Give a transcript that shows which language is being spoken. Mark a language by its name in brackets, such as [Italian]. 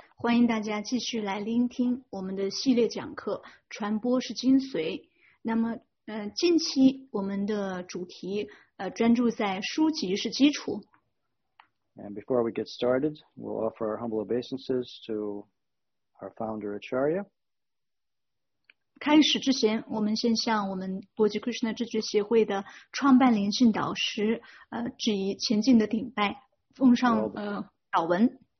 [Chinese] 欢迎大家继续来聆听我们的系列讲课，传播是精髓。那么近期我们的主题专注在书籍是基础。 [English] And before we get started, we'll offer our humble obeisances to our founder Acharya. [Chinese] 开始之前，我们先向我们国际 Krishna 智觉协会的创办灵性导师致以前进的顶拜，奉上祷文。